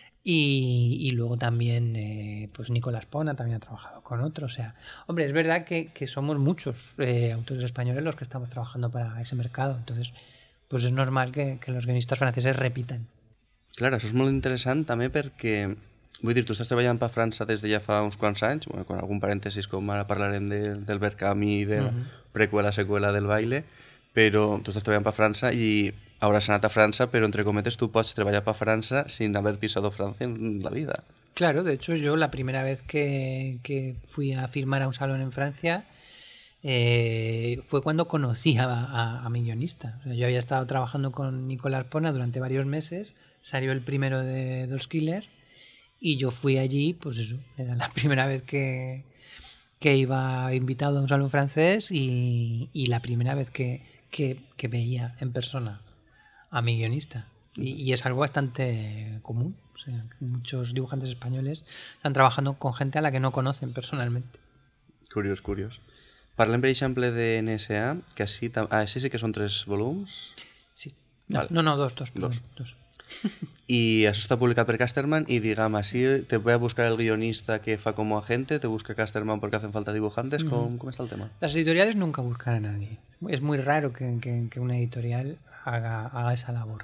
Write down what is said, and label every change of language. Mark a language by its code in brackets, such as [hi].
[es] Y luego también pues Nicolás Pona también ha trabajado con otro. O sea, hombre, es verdad que somos muchos autores españoles los que estamos trabajando para ese mercado. Entonces, pues es normal que los guionistas franceses repitan. Claro, eso es muy interesante también porque... [ca] Vull dir, tu estàs treballant per França des de ja fa uns quants anys, bueno, con algun parèntesis, com ara parlarem del Verkami i de la prequela, seqüela del Baile, però tu estàs treballant per França i hauràs anat a França, però entre cometes tu pots treballar per França sin haver pisat França en la vida. [es] Claro, de hecho yo la primera vez que fui a firmar a un salón en Francia fue cuando conocí a mi guionista. O sea, yo había estado trabajando con Nicolas Pona durante varios meses, salió el primero de Dos Killer, y yo fui allí, pues eso, era la primera vez que iba invitado a un salón francés y la primera vez que veía en persona a mi guionista. Y es algo bastante común. O sea, muchos dibujantes españoles están trabajando con gente a la que no conocen personalmente. [ca] Curioso. Parlem, per exemple, de NSA, [es] que así... ese sí que son tres volums. Sí. No, vale. dos. [ca] I això està publicat per Casterman i, diguem, així te ve a buscar el guionista que fa com a agente, te busca Casterman perquè [es] hacen falta dibujantes, [ca] com està el tema? [es] Las editoriales nunca buscan a nadie. Es muy raro que una editorial haga esa labor.